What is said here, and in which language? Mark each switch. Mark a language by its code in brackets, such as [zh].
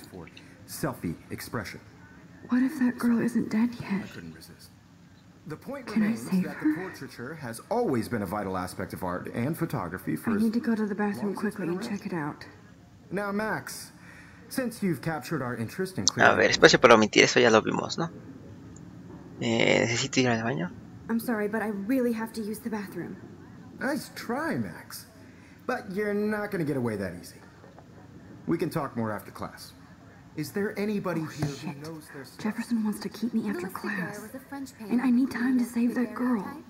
[en] For selfie expression. What if that girl isn't dead yet? I couldn't resist. The point remains that the portraiture has always been a vital aspect of art and photography for I need to go to the bathroom quickly and check it out. Now, Max, since you've captured our interest in [es] clearing... A ver, espacio para omitir, eso ya lo vimos, ¿no? ¿Necesito ir al baño? [en] I'm sorry, but I really have to use the bathroom. Nice try, Max. But you're not gonna get away that easy. We can talk more after class. Is there anybody oh, here shit. Who knows their stuff? Jefferson wants to keep me after class. And I need time to save that girl.